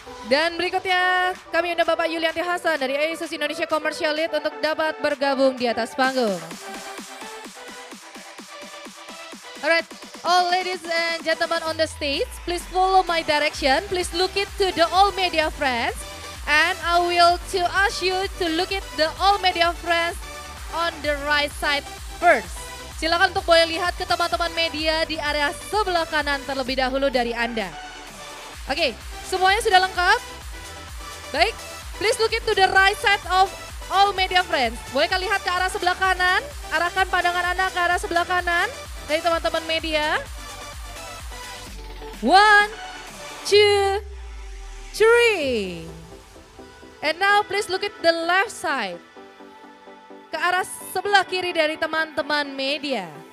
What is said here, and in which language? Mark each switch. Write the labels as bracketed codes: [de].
[id] Dan berikutnya kami undang Bapak Yulianti Hasan dari ASUS Indonesia Commercial Lead untuk dapat bergabung di atas panggung. [en] Alright, all ladies and gentlemen on the stage, please follow my direction. Please look it to the all media friends. And I will to ask you to look it the all media friends on the right side first. [id] Silakan untuk boleh lihat ke teman-teman media di area sebelah kanan terlebih dahulu dari Anda. Okay. Semuanya sudah lengkap? Baik, [en] please look into the right side of all media friends. [id] Boleh kalian lihat ke arah sebelah kanan, arahkan pandangan Anda ke arah sebelah kanan. Dari teman-teman media. 1, 2, 3. [en] And now please look at the left side. [id] Ke arah sebelah kiri dari teman-teman media.